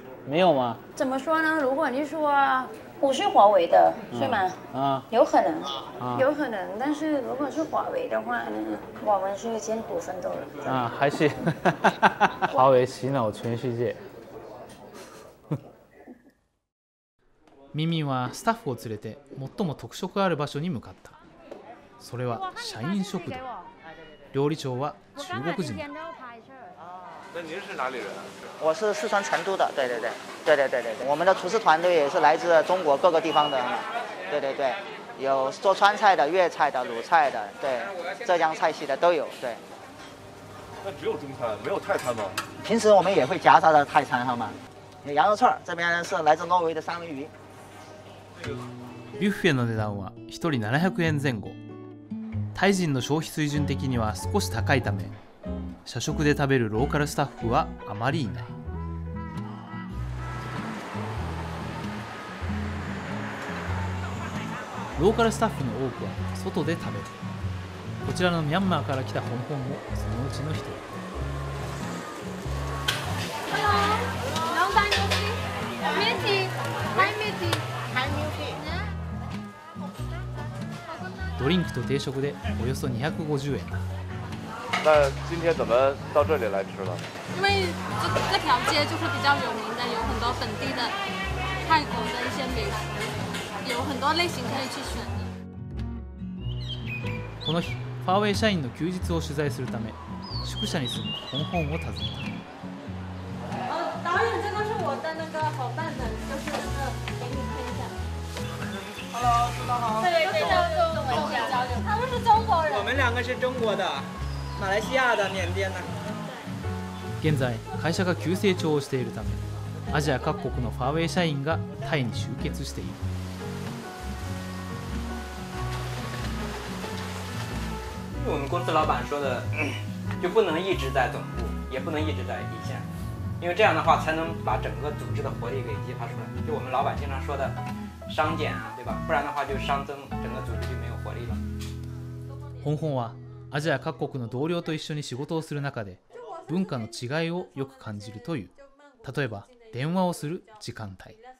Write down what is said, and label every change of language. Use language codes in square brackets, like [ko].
[zh] 没有吗？怎么说呢？如果你说。不是华为的，是吗？啊，有可能，啊、有可能。但是如果是华为的话，我们是艰苦奋斗的。啊，还是华为洗脑全世界。 [ja] ミミンはスタッフを連れて最も特色ある場所に向かった。それは社員食堂。料理長は中国人。 [zh] 那您是哪里人？我是四川成都的，对对对，对对对对对。我们的厨师团队也是来自中国各个地方的，对对对，有做川菜的、粤菜的、鲁菜的，对，浙江菜系的都有，对。那只有中餐，没有泰餐吗？平时我们也会夹杂的泰餐，好吗？羊肉串，这边是来自挪威的三文鱼。 [ja] ビュッフェの値段は一人700円前後。タイ人の消費水準的には少し高いため。社食で食べるローカルスタッフはあまりいない。ローカルスタッフの多くは外で食べる。こちらのミャンマーから来た香港もそのうちの一人。 [zh] Hello, 老板牛皮、面皮、海面皮、海牛皮。 [ja] ドリンクと定食でおよそ250円。 [zh] 那今天怎么到这里来吃了？因为这条街就是比较有名的，有很多本地的泰国的一些美食，有很多类型可以去选的。 [ja] この日、ファーウェイ社員の休日を取材するため、宿舎に住む香港を訪ねた。 [zh] 导演，这个是我的那个伙伴的，就是那个给你看一下。 Hello， 师长好。对对对，中国人交流，他们是中国人。我们两个是中国的。马来西亚的缅甸的。 [ja] 现在，会社が急成長をしているため、アジア各国のファーウェイ社員がタイに集結している。 [zh] 因为我们公司老板说的，就不能一直在总部，也不能一直在一线，因为这样的话才能把整个组织的活力给激发出来。就我们老板经常说的，商减啊，对吧？不然的话就商增，整个组织就没有活力了。红红啊。 [ja] アジア各国の同僚と一緒に仕事をする中で文化の違いをよく感じるという。例えば電話をする時間帯。